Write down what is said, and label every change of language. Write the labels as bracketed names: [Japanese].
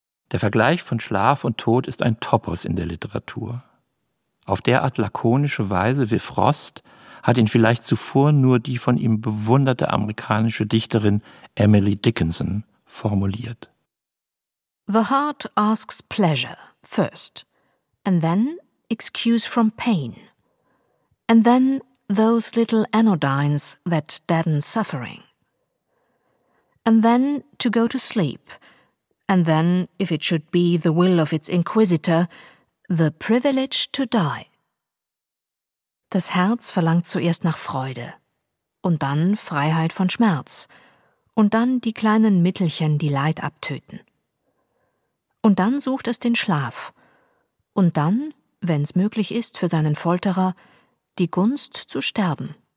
[German] Der Vergleich von Schlaf und Tod ist ein Topos in der Literatur. Auf derart lakonische Weise wie Frost hat ihn vielleicht zuvor nur die von ihm bewunderte amerikanische Dichterin Emily Dickinson formuliert. [English] The heart asks pleasure first, and then excuse from pain, and then those little anodynes that deaden suffering, and then to go to sleep, and then, if it should be the will of its inquisitor, the privilege to die. [German] Das Herz verlangt zuerst nach Freude, und dann Freiheit von Schmerz, und dann die kleinen Mittelchen, die Leid abtöten. Und dann sucht es den Schlaf, und dann, wenn's möglich ist für seinen Folterer, die Gunst zu sterben.